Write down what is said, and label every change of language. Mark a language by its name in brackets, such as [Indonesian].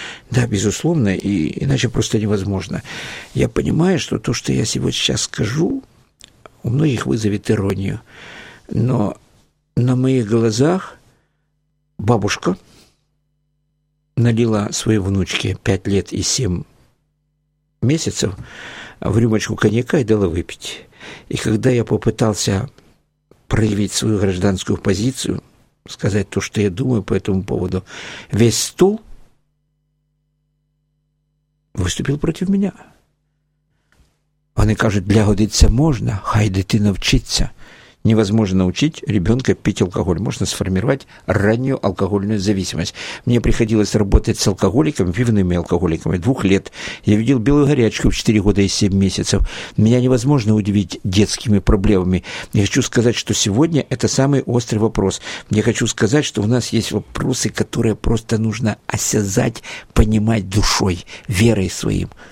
[Russian] Да, безусловно, и иначе просто невозможно. Я понимаю, что то, что я сегодня сейчас скажу, у многих вызовет иронию, но на моих глазах бабушка налила своей внучке 5 лет и 7 месяцев в рюмочку коньяка и дала выпить. И когда я попытался проявить свою гражданскую позицию, сказать то, что я думаю по этому поводу, весь стол выступил против меня. [Ukrainian] Вони кажуть, для годиться можна, хай дитина вчиться. [Russian] Невозможно научить ребенка пить алкоголь. Можно сформировать раннюю алкогольную зависимость. Мне приходилось работать с алкоголиками, пивными алкоголиками, 2 лет. Я видел белую горячку в 4 года и 7 месяцев. Меня невозможно удивить детскими проблемами. Я хочу сказать, что сегодня это самый острый вопрос. Я хочу сказать, что у нас есть вопросы, которые просто нужно осязать, понимать душой, верой своим.